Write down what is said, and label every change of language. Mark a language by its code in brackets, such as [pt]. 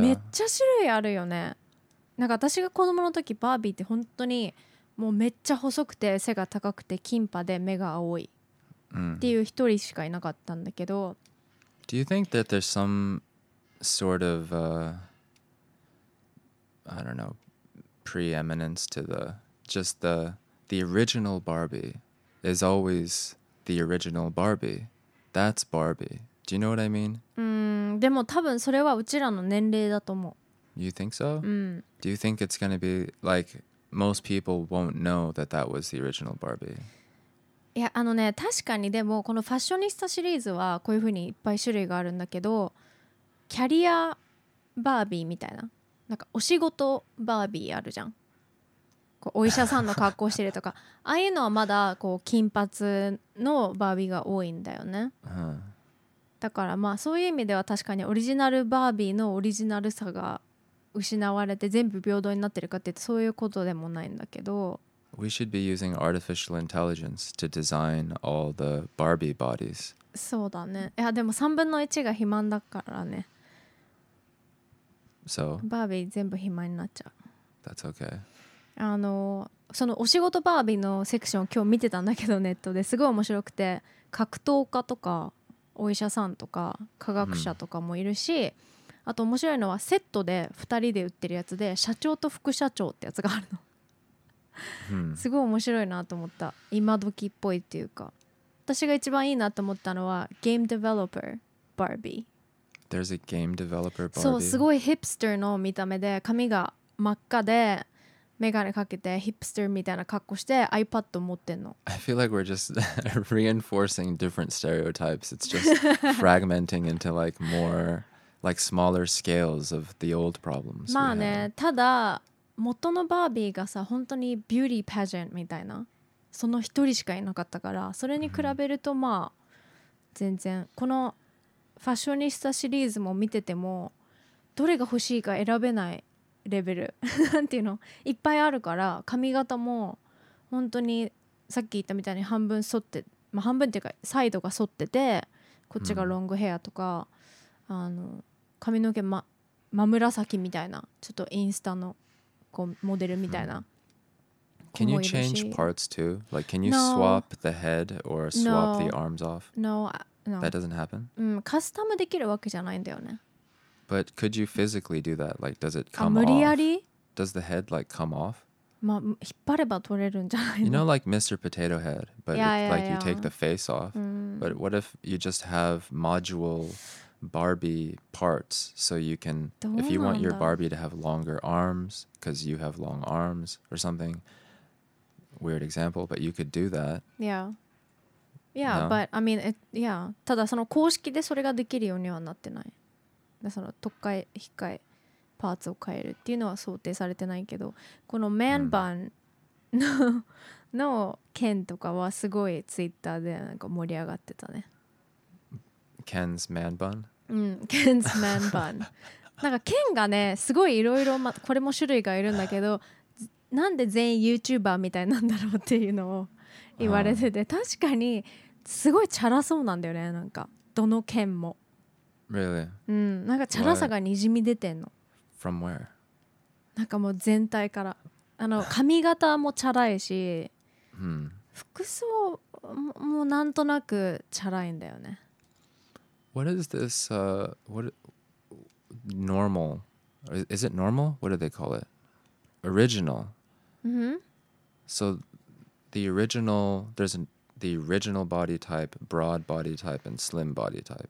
[ja] めっちゃ種類あるよね。なんか私が子供の時、バービーって本当にもうめっちゃ細くて背が高くて金髪で目が青いっていう一人しかいなかったんだけど。 [en] Do you think that there's some sort of... I don't know, preeminence to the, just the original Barbie is always the original Barbie. That's Barbie. Do you know what I mean? [ja] でも多分それはうちらの年齢だと思う。 [en] You think so? Mm. Do you think it's going to be like, most people won't know that that was the original Barbie? [ja] いや、ね、確かにでもこのファッショニスタシリーズはこういうふうにいっぱい種類があるんだけど、キャリアバービーみたいな。なんかお仕事バービーあるじゃん。こうお医者さんの格好してるとかああいうのはまだこう金髪のバービーが多いんだよね、うん、だからまあそういう意味では確かにオリジナルバービーのオリジナルさが失われて全部平等になってるかってそういうことでもないんだけど [en] We should be using artificial intelligence to design all the Barbie bodies. [ja] そうだね。いやでも3分の1が肥満だからね。 [en] So? [ja] バービー全部肥満になっちゃう。 [en] That's okay. [ja] あのそのお仕事バービーのセクションを今日見てたんだけどネットですごい面白くて格闘家とかお医者さんとか科学者とかもいるし、mm. あと面白いのはセットで2人で売ってるやつで社長と副社長ってやつがあるの。 Hmm. すごい面白いなと思った今時っぽいっていうか私が一番いいなと思ったのはゲームデベロッパーバービ [en] ー There's a game developer Barbie [ja] そうすごいヒップスターの見た目で髪が真っ赤で眼鏡かけてヒップスターみたいな格好して iPad 持ってんの [en] I feel like we're just reinforcing different stereotypes It's just fragmenting into like more like smaller scales of the old problems [ja] まあねただ元のバービーがさ本当にビューティーパジェントみたいなその一人しかいなかったからそれに比べるとまあ全然このファッショニスタシリーズも見ててもどれが欲しいか選べないレベルなんていうのいっぱいあるから髪型も本当にさっき言ったみたいに半分剃って、まあ、半分っていうかサイドが剃っててこっちがロングヘアとか、うん、あの髪の毛 真紫みたいなちょっとインスタのモデルみたいな、うん、 [en] Can you change parts too? Like can you swap the head or swap the arms off? No. That doesn't happen? [ja] うん、カスタムできるわけじゃないんだよね [en] But could you physically do that? Like does it come [ja] off? 無理やり? [en] Does the head like come off? [ja] まあ、引っ張れば取れるんじゃないの? [en] You know like Mr. Potato Head But yeah, yeah, like you take the face off But what if you just have modulable Barbie parts so you can if you want your Barbie to have longer arms because you have long arms or something weird example but you could do that yeah no? but I mean it, yeah [ja] ただその公式でそれができるようにはなってないでその特解非解パーツを変えるっていうのは想定されてないけどこのマンバンの、うん、の件とかはすごいツイッターでなんか盛り上がってたね [en] Ken's man bun [ja] うん、 [en] Ken's man bun [ja] なんか Ken がねすごいいろいろこれも種類がいるんだけどなんで全員 YouTuber みたいなんだろうっていうのを言われてて、uh-huh. 確かにすごいチャラそうなんだよねなんかどの Ken も [en] Really? [ja] うん、なんかチャラさがにじみ出てんの [en] From where? [ja] なんかもう全体からあの髪型もチャラいし、 hmm. 服装 もなんとなくチャラいんだよね [en] What is this, what, normal, is it normal? What do they call it? Original. Mm-hmm. So the original, there's the original body type, broad body type, and slim body type.